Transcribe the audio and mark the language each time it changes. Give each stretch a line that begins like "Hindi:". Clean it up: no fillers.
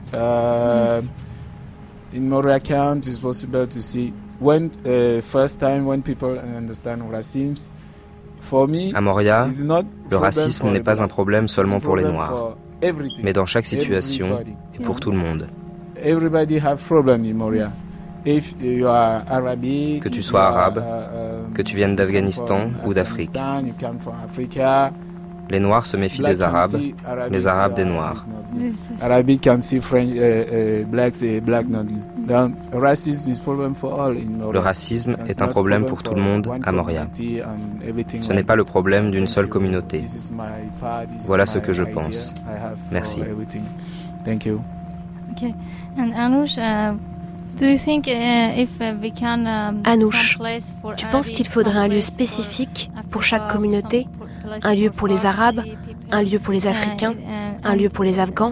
English: In Moria camp, it's possible to see when first time when people understand racism. For me,
French: à Moria, le racisme n'est pas un problème seulement pour les Noirs, mais dans chaque situation et pour tout le monde.
English: Everybody have problem in Moria. If you are Arabic,
French: que tu sois arabe, que tu viennes d'Afghanistan ou d'Afrique,
English: you come from Africa.
French: Les Noirs se méfient des Arabes, les Arabes des Noirs.
English: Arabic can see French, blacks et blacks not good. Racism is problem for all in Moria.
French: Le racisme est un problème pour tout le monde à Moria. Ce n'est pas le problème d'une seule communauté. Voilà ce que je pense. Merci.
English: Thank you. Okay. And Anoush, do you think if we can
French: Anoush, tu penses qu'il faudrait un lieu spécifique pour chaque communauté? Un lieu pour les Arabes, un lieu pour les Africains, un lieu pour les Afghans.